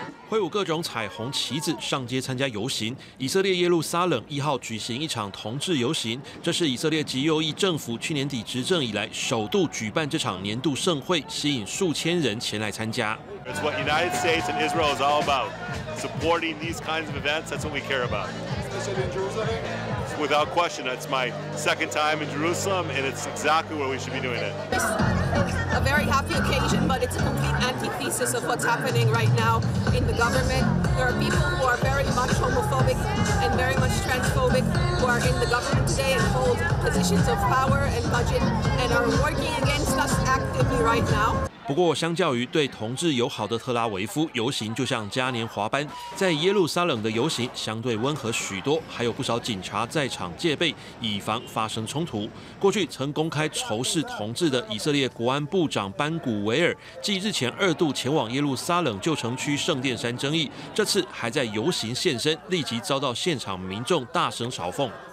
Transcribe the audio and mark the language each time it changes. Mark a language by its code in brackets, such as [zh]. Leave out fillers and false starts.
[zh] 挥舞各种彩虹旗子上街参加游行。以色列耶路撒冷一号举行一场同志游行，这是以色列极右翼政府去年底执政以来首度举办这场年度盛会，吸引数千人前来参加。 [en] It's what United States and Israel is all about. Supporting these kinds of events, that's what we care about. Without question, that's my second time in Jerusalem, and it's exactly where we should be doing it. A very happy occasion, but it's a complete antithesis of what's happening right now in the government. There are people who are very much homophobic and very much transphobic who are in the government today and hold positions of power and budget and are working against us actively right now. [zh] 不过，相较于对同志友好的特拉维夫，游行就像嘉年华般，在耶路撒冷的游行相对温和许多，还有不少警察在场戒备，以防发生冲突。过去曾公开仇视同志的以色列国安部长班古维尔，继日前二度前往耶路撒冷旧城区圣殿山争议，这次还在游行现身，立即遭到现场民众大声嘲讽。